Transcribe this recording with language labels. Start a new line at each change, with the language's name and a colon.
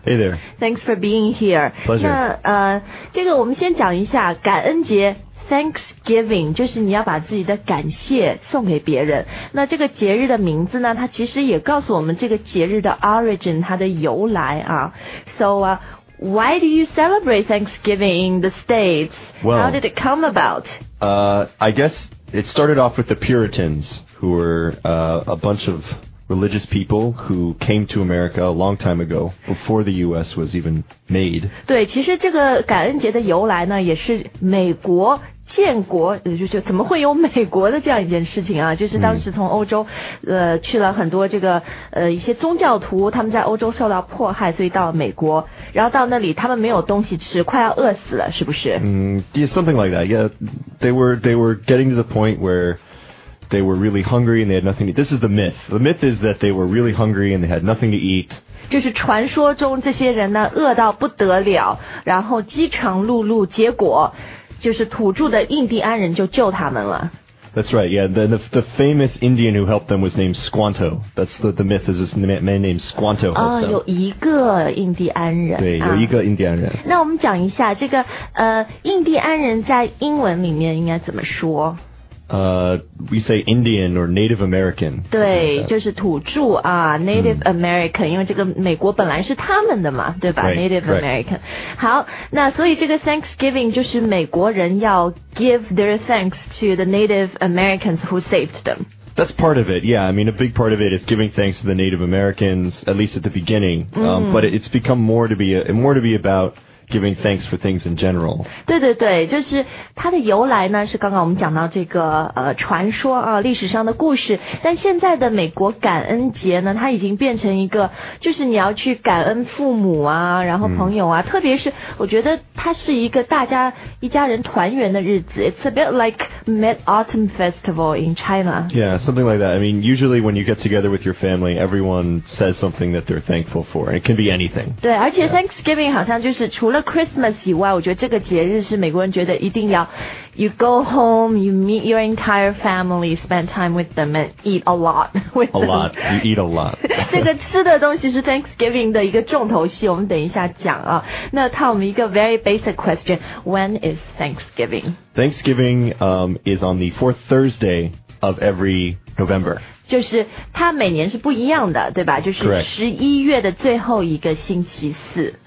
English: Hey there. Thanks for being here. Pleasure.
Chinese: 那这个我们先讲一下感恩节Thanksgiving， 就是你要把自己的感谢送给别人。那这个节日的名字呢，它其实也告诉我们这个节日的 origin， 它的由来啊。
English: So, why do you celebrate Thanksgiving in the States? Well, how did it come about? I guess it started off with the Puritans, who were a bunch of religious people who came to America a long time ago, before the U.S. was even made.
Chinese: 对，其实这个感恩节的由来呢，也是美国建国，就怎么会有美国的这样一件事情啊？就是当时从欧洲，去了很多这个一些宗教徒，他们在欧洲受到迫害，所以到了美国，然后到那里他们没有东西吃，快要饿死了，是不是？
English: Something like that. Yeah, they were getting to the point where they were really hungry and they had nothing to eat. This is the myth. The myth is that they were really hungry and they had nothing to eat.
Chinese: 就是传说中这些人呢饿到不得了，然后饥肠辘辘，结果就是土著的印第安人就救他们了。
English: That's right, yeah. The famous Indian who helped them was named Squanto. That's the myth is this man named Squanto helped them.
Chinese: 有一个印第安人。对，有一个印第安人。那我们讲一下这个印第安人在英文里面应该怎么说？
English: We say Indian or Native American.
Chinese: 对，就是土著啊 ，Native American， 因为这个美国本来是他们的嘛，对吧
English: right, ？Native American、 right.。
Chinese: 好，那所以这个
English: Thanksgiving
Chinese: 就是美国人要
English: give their thanks to the Native Americans who saved them. That's part of it. Yeah, I mean a big part of it is giving thanks to the Native Americans, at least at the beginning.、But it's become more to be about. Giving thanks for things in general.
Chinese: 对对对，就是它的由来呢，是刚刚我们讲到这个传说啊，历史上的故事。但现在的美国感恩节呢，它已经变成一个，就是你要去感恩父母啊，然后朋友啊，特别是我觉得它是一个大家一家人团圆的日子。
English: It's a bit like Mid-Autumn Festival in China. Yeah, something like that. I mean, usually when you get together with your family, everyone says something that they're thankful for. It can be anything.
Chinese: 对，而且 Thanksgiving 好像就是除了 Christmas 以外，我觉得这个节日是美国人觉得一定要 ，
English: you go home, you meet your entire family, spend time with them
Chinese: and eat a lot with them.
English: A lot, you eat a lot.
Chinese: 这个吃的东西是 Thanksgiving 的一个重头戏，我们等一下讲啊。
English: 那Tom一个 very basic question: When is Thanksgiving? Thanksgiving is on the fourth Thursday of every November.
Chinese: 就是它每年是不一样的，对吧？就是十一月的最后一个星期四。